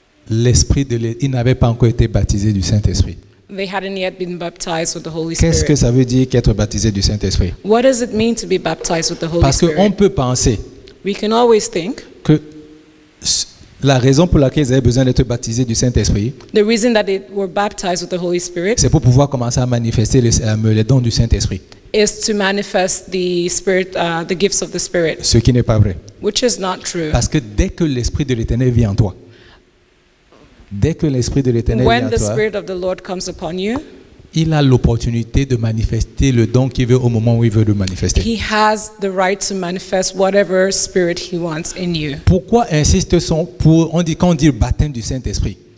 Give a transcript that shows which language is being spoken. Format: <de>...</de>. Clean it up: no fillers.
<fr>Ils n'avaient pas encore été baptisés du Saint-Esprit.</fr> <en>They hadn't yet been baptized with the Holy Spirit.</en> <fr>Qu'est-ce que ça veut dire qu'être baptisé du Saint-Esprit?</fr> <en>What does it mean to be baptized with the Holy Spirit?</en> <fr>Parce qu'on peut penser.</fr> <en>We can always think.</en> <fr>Que la raison pour laquelle ils avaient besoin d'être baptisés du Saint-Esprit.</fr> <en>The reason that they were baptized with the Holy Spirit.</en> <fr>C'est pour pouvoir commencer à manifester les dons du Saint-Esprit.</fr> <en>Is to manifest the Spirit, the gifts of the Spirit.</en> <fr>Ce qui n'est pas vrai.</fr> <en>Which is not true.</en> <fr>Parce que dès que l'Esprit de l'Éternel vit en toi. Dès que l'Esprit de l'Éternel vient à toi,</fr> <en>when the Spirit of the Lord comes upon you,</en> <fr>il a l'opportunité de manifester le don qu'il veut au moment où il veut le manifester.</fr> <en>He has the right to manifest whatever spirit he wants in you.</en> <fr>Pourquoi insiste-t-on pour on dit quand on dit baptême du Saint-Esprit?</fr>